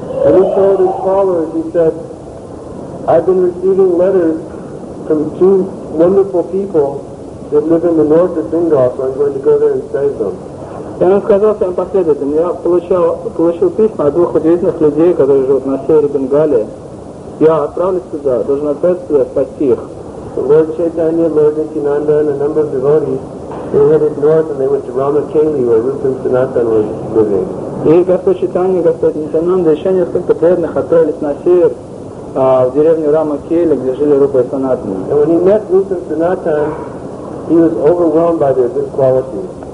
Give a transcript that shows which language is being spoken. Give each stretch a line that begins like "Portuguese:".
English: And he told his followers, he said, "I've been receiving letters from two wonderful people that live in the north of Bengal, so I'm going to go there and save them."
Russian: And он сказал своим последователям, я получил письма от двух удивительных людей, которые живут на севере Бенгалии. Я отправлюсь туда, должен отправиться туда, спасти их.
English: Lord Chaitanya, Lord Nityananda, and a number of devotees, they headed north and they went to Ramakeli, where Rupa and Sanatan was living.
Russian: И Господь Чайтанья, Господь Нитянанда, еще несколько преданных отправились на север, в деревню Рама-Кейли, где жили Рупа и Санатана.
English: And when he met Rupa and Sanatan, he was overwhelmed by their good qualities.